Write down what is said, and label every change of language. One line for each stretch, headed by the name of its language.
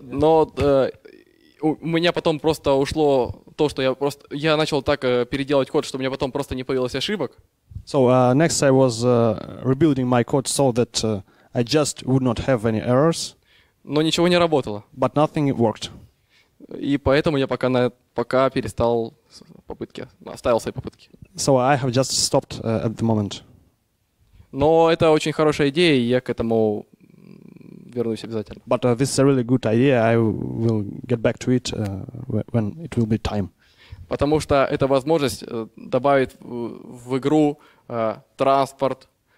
Russian: Но у меня потом просто ушло то, что я начал так переделывать код, что у меня потом просто не появилось ошибок.
English: So next I was rebuilding my code so that I just would not have any errors.
Russian: Но ничего не работало.
English: But nothing worked.
Russian: И поэтому я пока перестал попытки, оставил свои попытки.
English: So I have just stopped at the moment.
Russian: Но это очень хорошая идея, и я к этому вернусь обязательно.
English: But this is a really good idea. I will get back to it when it will be time.
Russian: Потому что эта возможность добавит в игру транспорт.